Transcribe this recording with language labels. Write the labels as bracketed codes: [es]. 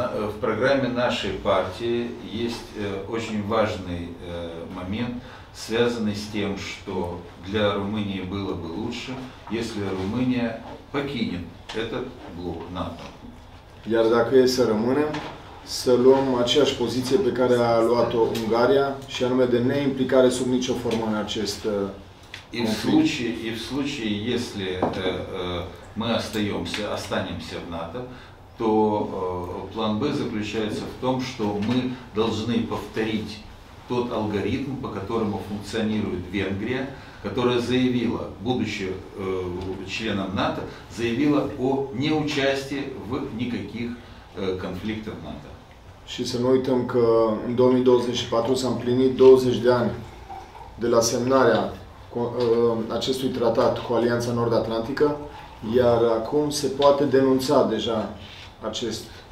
[ru] В программе нашей партии есть очень важный момент, связанный с тем, что для Румынии было бы лучше, если Румыния покинет этот блок НАТО. [ro] Iar dacă e să rămânem, să luăm aceeași poziție pe care a luat-o Ungaria, și anume de neimplicare sub nicio formă în acest [ru] И в случае, если мы останемся в НАТО, то план Б заключается в том, что мы должны повторить тот алгоритм, по которому функционирует Венгрия, которая заявила, будучи членом НАТО, заявила о неучастии в никаких конфликтах НАТО. [ro] Și să nu uităm că în 2024 s-a împlinit 20 de ani de la semnarea acestui tratat cu Alianța Nord-Atlantică, iar acum se poate denunța deja acest